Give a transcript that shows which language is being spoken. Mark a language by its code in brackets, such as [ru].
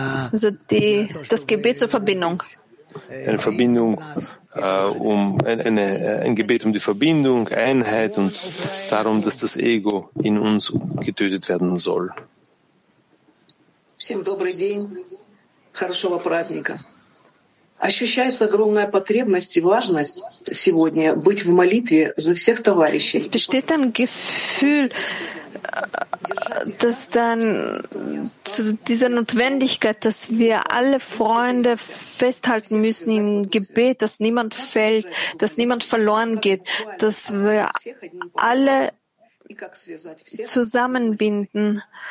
[de] Also das Gebet zur Verbindung. eine Verbindung, ein Gebet um die Verbindung, Einheit und darum, dass das Ego in uns getötet werden soll. [ru] Всем добрый день, хорошего праздника. Ощущается огромная потребность и важность сегодня быть в молитве за всех товарищей. [de] Es besteht ein Gefühl, dass dann zu dieser Notwendigkeit, dass wir alle Freunde festhalten müssen im Gebet, dass niemand fällt, dass niemand verloren geht, dass wir alle zusammenbinden.